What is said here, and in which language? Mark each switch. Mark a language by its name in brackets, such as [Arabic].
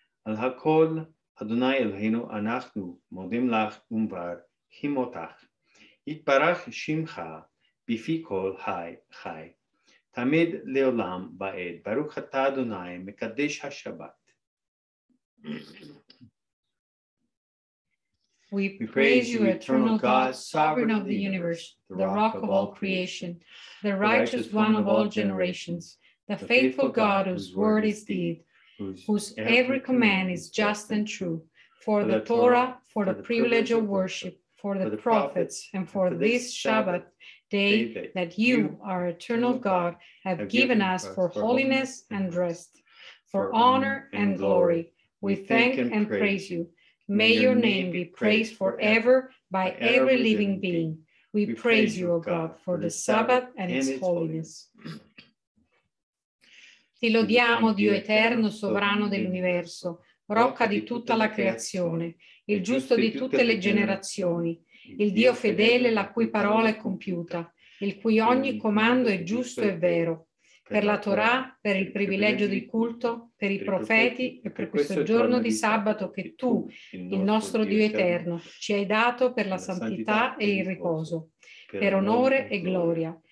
[Hebrew] על הכל, אדוני אלוהינו, אנחנו מודים לך ומברכים אותך. יתברך שמך בפי כל חי. תמיד לעולם בעד. ברוך אתה אדוני, מקדש השבת. [English] We praise you, eternal God, sovereign of the universe, the rock of all creation, the righteous one of all generations, the faithful God whose word is deed, whose every command is just and true, for the Torah, for the privilege of worship, for the prophets, and for this Shabbat day that you, our eternal God, have given us for holiness and rest, for honor and glory. We thank and praise you. May your name be praised forever by every living being. We praise you, O God, for the Sabbath and its holiness. [Italian] Ti lodiamo, Dio eterno, sovrano dell'universo, rocca di tutta la creazione, il giusto di tutte le generazioni, il Dio fedele la cui parola è compiuta, il cui ogni comando è giusto e vero. Per la Torah, per il privilegio di culto, per i profeti e per questo giorno di sabato che tu, il nostro Dio eterno, ci hai dato per la santità e il riposo, per onore e gloria.